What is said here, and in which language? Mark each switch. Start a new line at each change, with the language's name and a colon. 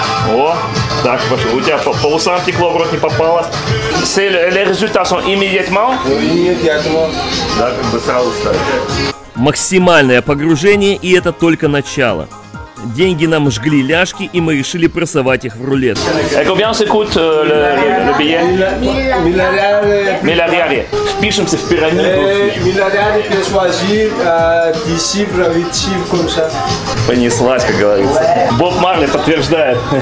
Russian: О, так, у тебя по усам текло, в рот не попало.
French: Les résultats sont immédiatement? Immédiatement.
Russian: Да, как бы сразу ставить. Максимальное погружение, и это только начало. Деньги нам жгли ляжки, и мы решили прессовать их в рулет.
French: Et combien ça coûte le billet?
Russian: Миллиарды. Впишемся в пирамиду. Миллиарды, ты сможешь идти в провитии, как ça. Понеслась, как говорится. Боб Марли подтверждает.